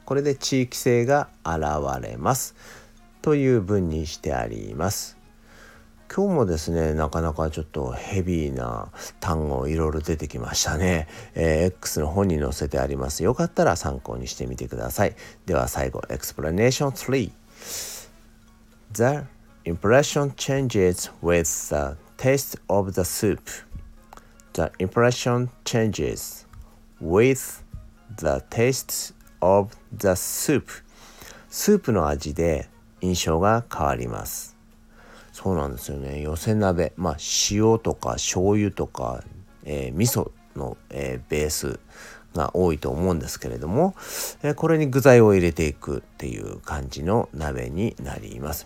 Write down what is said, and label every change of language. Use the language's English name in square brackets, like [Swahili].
[Japanese] これで地域性が現れますという文にしてあります。今日もですね、なかなかちょっとヘビーな単語いろいろ出てきましたね。 X の本に載せてあります。よかったら参考にしてみてください。では最後、Explanation 3。 [English] The impression changes with the taste of the soup. The impression changes with the taste of the soup. [Japanese] スープの味で印象が変わります。そうなんですよね。寄せ鍋、まあ塩とか醤油とか、味噌の、ベースが多いと思うんですけれども、これに具材を入れていくっていう感じの鍋になります。